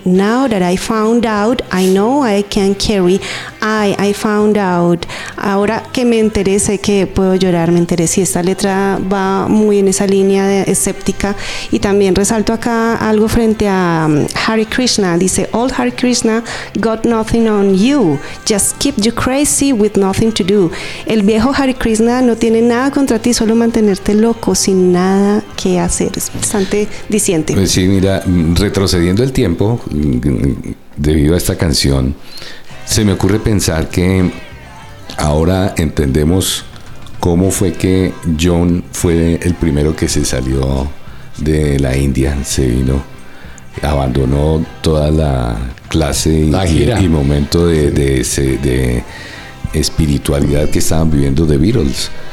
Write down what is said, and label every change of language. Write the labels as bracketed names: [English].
[English] Now that I found out, I know I can carry. I found out. [Spanish] Ahora que me enteré, sé que puedo llorar, me enteré". Sí, esta letra va muy en esa línea de escéptica. Y también resalto acá algo frente a Hare Krishna. [English] Dice: "Old Hare Krishna got nothing on you. Just keep you crazy with nothing to do". [Spanish] El viejo Hare Krishna no tiene nada contra ti, solo mantenerte loco sin nada que hacer. Es bastante diciente. Pues sí, mira, retrocediendo el tiempo, debido a esta canción, se me ocurre pensar que ahora entendemos cómo fue que John fue el primero que se salió de la India, se vino, abandonó toda la clase y momento de espiritualidad que estaban viviendo The Beatles.